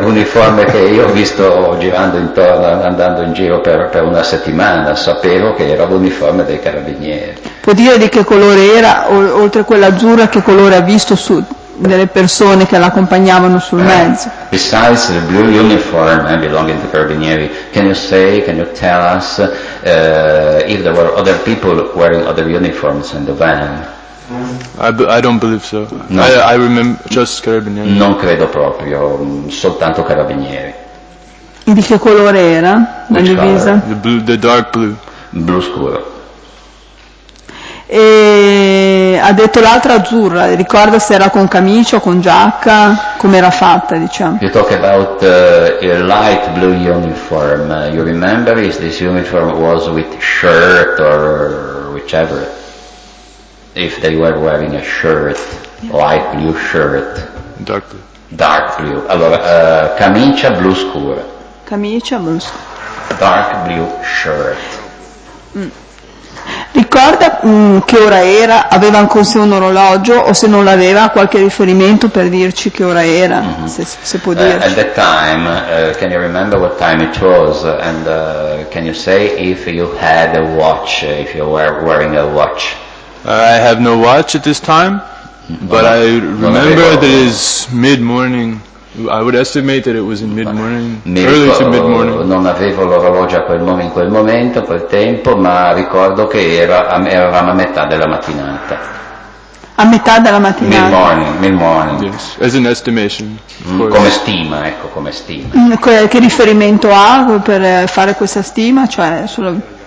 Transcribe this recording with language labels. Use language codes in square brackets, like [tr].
[it] L'uniforme che io ho visto girando intorno, andando in giro per una settimana, sapevo che era l'uniforme dei carabinieri. Può dire di che colore era, oltre quell'azzurra, che colore ha visto su delle persone che l'accompagnavano sul mezzo? [en] Besides the blue uniform and belonging to carabinieri, can you tell us if there were other people wearing other uniforms in the van? I don't believe so. No. I remember just carabinieri. [it] Non credo proprio, soltanto carabinieri. E di che colore era la divisa? [en] The dark blue. [it] Blu scuro. E ha detto l'altra azzurra, ricorda se era con camicia o con giacca, come era fatta, diciamo. [en] You talk about a light blue uniform. You remember if this uniform was with shirt or whichever, if they were wearing a shirt, light blue shirt. Dark blue. [it] Allora, camicia blu scura. Camicia blu scura. [en] Dark blue shirt. [it] Ricorda che ora era? Aveva con sé un orologio, o se non l'aveva qualche riferimento per dirci che ora era? Se può dirci. [en] At that time, can you remember what time it was? And can you say if you had a watch, if you were wearing a watch? I have no watch at this time, but I remember that it is mid-morning. I would estimate that it was in mid-morning, early to mid-morning. [it] Non avevo l'orologio in quel momento, quel tempo, ma ricordo che eravamo a metà della mattinata. A metà della mattinata? [en] Mid-morning. Yes, as an estimation. [it] Come stima. Che riferimento ha per fare questa stima? Cioè, sulla...